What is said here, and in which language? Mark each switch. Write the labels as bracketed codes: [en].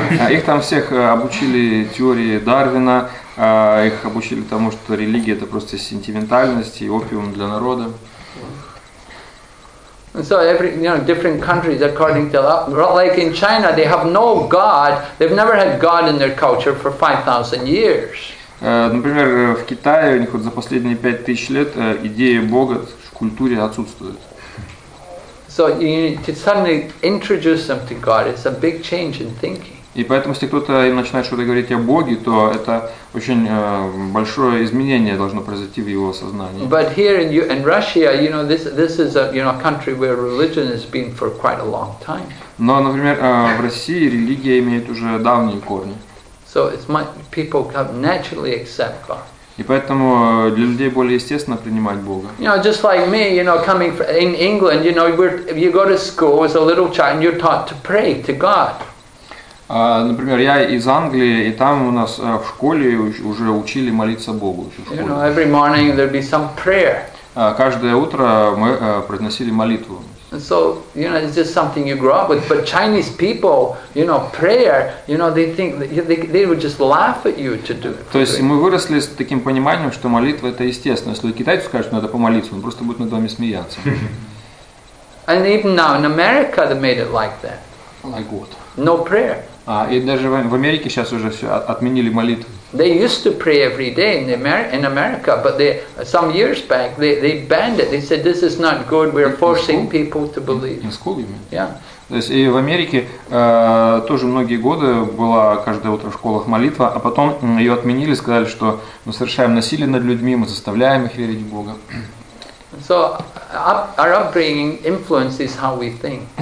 [ru] Их там всех обучили теории Дарвина, их обучили тому, что религия это просто сентиментальность и опиум для народа. [en] And so every, you know, different countries according to, like in China, they have no God. They've never had God in their culture for 5,000 years. [ru] Например, в Китае у них вот за последние 5000 лет идея Бога в культуре отсутствует. [en] So you need to suddenly introduce them to God. It's a big change in thinking. [ru] И поэтому, если кто-то начинает что-то говорить о Боге, то это очень большое изменение должно произойти в его сознании. [en] But here in Russia, you know, this is a, you know, country where religion has been for quite a long time. [ru] Но, например, в России религия имеет уже давние корни. [en] So it's my people can naturally accept God. [ru] И поэтому для людей более естественно принимать Бога. [en] You know, just like me, you know, coming from, in England, you know, you go to school as a little child and you're taught to pray to God. [ru] Например, я из Англии, и там у нас в школе уже учили молиться Богу. [en] You know, every morning there'd be some prayer. [ru] Каждое утро мы произносили молитву. [en] So, you know, it's just something you grow up with. But Chinese people, you know, prayer, you know, they think they would just laugh at you to do it. [ru] То есть мы выросли с таким пониманием, что молитва это естественно. Если китайцу скажут, что надо помолиться, он просто будет над вами смеяться. [en] And even now in America they made it like that. Like what? No prayer. [ru] И даже в Америке сейчас уже все отменили молитву. [en] They used to pray every day in America, but they, some years back they banned it. They said this is not good. We're forcing people to believe. In school, you mean? Yeah. [ru] То есть и в Америке тоже многие годы была каждое утро в школах молитва, а потом ее отменили, сказали, что мы совершаем насилие над людьми, мы заставляем их верить в Бога. [en] So our upbringing influences how we think.